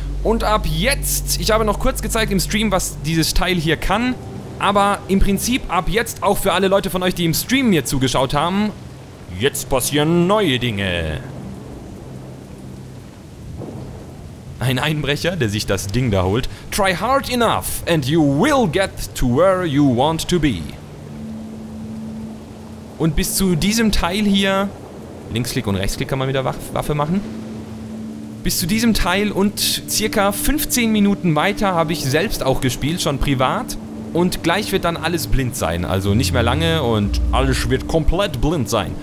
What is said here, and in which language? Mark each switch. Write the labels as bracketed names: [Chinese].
[German] Und ab jetzt, ich habe noch kurz gezeigt im Stream, was dieses Teil hier kann. Aber im Prinzip ab jetzt auch für alle Leute von euch, die im Stream mir zugeschaut haben. Jetzt passieren neue Dinge. Ein Einbrecher, der sich das Ding da holt. [English] Try hard enough and you will get to where you want to be. [German] Und bis zu diesem Teil hier, Linksklick und Rechtsklick kann man wieder Waffe machen. Bis zu diesem Teil und circa 15 Minuten weiter habe ich selbst auch gespielt, schon privat. Und gleich wird dann alles blind sein, also nicht mehr lange und alles wird komplett blind sein.